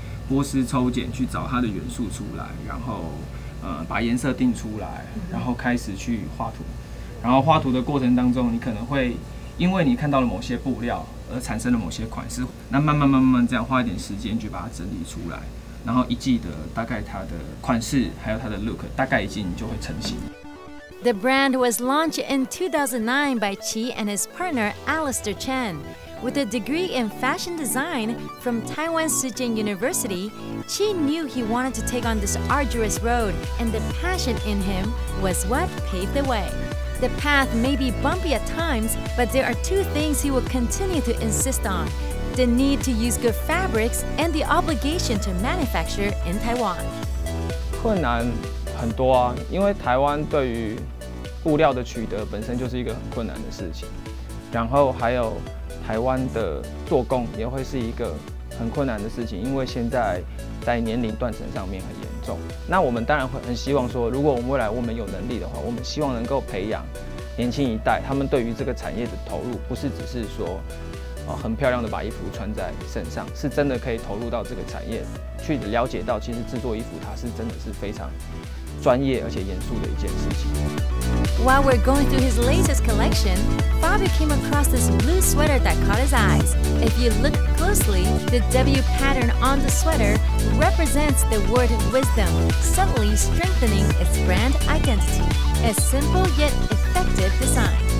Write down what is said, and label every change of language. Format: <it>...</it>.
<zh>波斯抽检去找它的元素出来，然后把颜色定出来，然后开始去画图。然后画图的过程当中，你可能会因为你看到了某些布料而产生了某些款式，那慢慢这样花一点时间去把它整理出来，然后一季的大概它的款式还有它的 look 大概已经就会成型。</zh> <en>The brand was launched in 2009 by Chi and his partner Alistair Chen. With a degree in fashion design from Taiwan Sujian University, Chi knew he wanted to take on this arduous road, and the passion in him was what paved the way. The path may be bumpy at times, but there are two things he will continue to insist on: the need to use good fabrics and the obligation to manufacture in Taiwan.</en> <zh>困难很多啊，因为台湾对于布料的取得本身就是一个很困难的事情，然后还有台湾的做工也会是一个很困难的事情，因为现在在年龄断层上面很严重。那我们当然会很希望说，如果我们未来我们有能力的话，我们希望能够培养年轻一代，他们对于这个产业的投入不是只是说很漂亮的把衣服穿在身上，是真的可以投入到这个产业，去了解到其实制作衣服它是真的是非常专业而且严肃的一件事情。</zh> <en>While we're going through his latest collection, Bobby came across this blue sweater that caught his eyes. If you look closely, the W pattern on the sweater represents the word wisdom, subtly strengthening its brand identity. A simple yet effective design.</en>